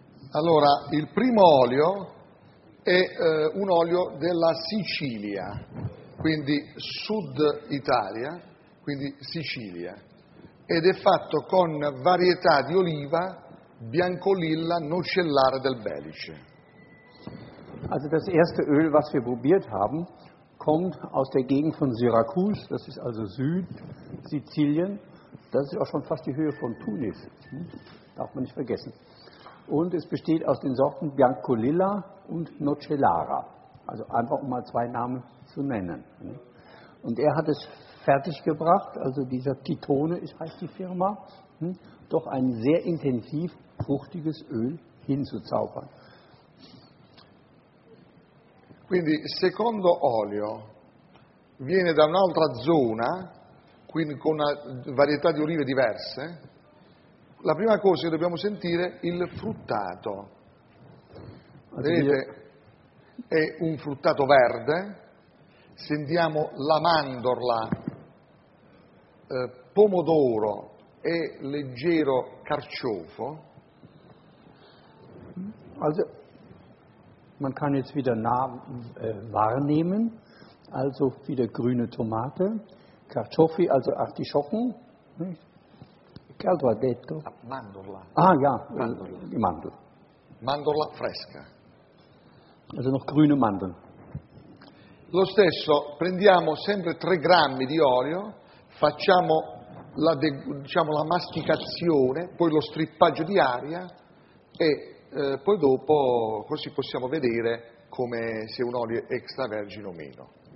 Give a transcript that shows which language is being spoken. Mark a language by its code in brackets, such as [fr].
[it] Allora, il primo olio è un olio della Sicilia, quindi Sud Italia, quindi Sicilia, ed è fatto con varietà di oliva Biancolilla Nocellare del Belice. [de] Also das erste Öl, was wir probiert haben, kommt aus der Gegend von Syrakus, das ist also Süd Sizilien. Das ist auch schon fast die Höhe von Tunis, darf man nicht vergessen. Und es besteht aus den Sorten Biancolilla und Nocellara, also einfach um mal zwei Namen zu nennen. Und er hat es fertiggebracht, also dieser Titone ist, heißt die Firma, doch ein sehr intensiv fruchtiges Öl hinzuzaubern. [it] Quindi, secondo olio viene da un'altra zona, quindi con una varietà di olive diverse, la prima cosa che dobbiamo sentire è il fruttato. Vedete, è un fruttato verde, sentiamo la mandorla, pomodoro e leggero carciofo. [de] Also, man kann jetzt wieder wahrnehmen, also wieder grüne Tomate, Kartoffel, also Artischocken. [it] Che altro ha detto? Mandorla. [de] Ah ja, Mandorla. Die Mandel. [it] Mandorla fresca. [de] Also noch grüne Mandeln. [it] Lo stesso, prendiamo sempre 3 grammi di olio, facciamo la masticazione, poi lo strippaggio di aria e poi dopo così possiamo vedere come se un olio è extravergine o meno.